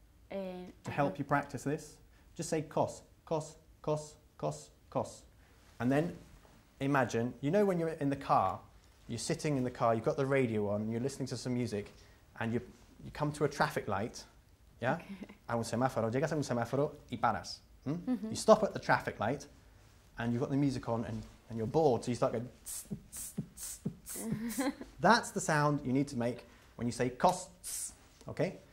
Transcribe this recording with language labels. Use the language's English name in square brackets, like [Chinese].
[English] To help you practice this, just say cos, cos, cos, cos, cos. And then imagine, you know when you're in the car, you're sitting in the car, you've got the radio on, you're listening to some music, and you come to a traffic light, yeah? Okay. [Spanish] A un semáforo, llegas a un semáforo y paras. Mm-hmm. [English] You stop at the traffic light, and you've got the music on, and you're bored, so you start going tss, tss, tss, tss. That's the sound you need to make when you say costs, okay?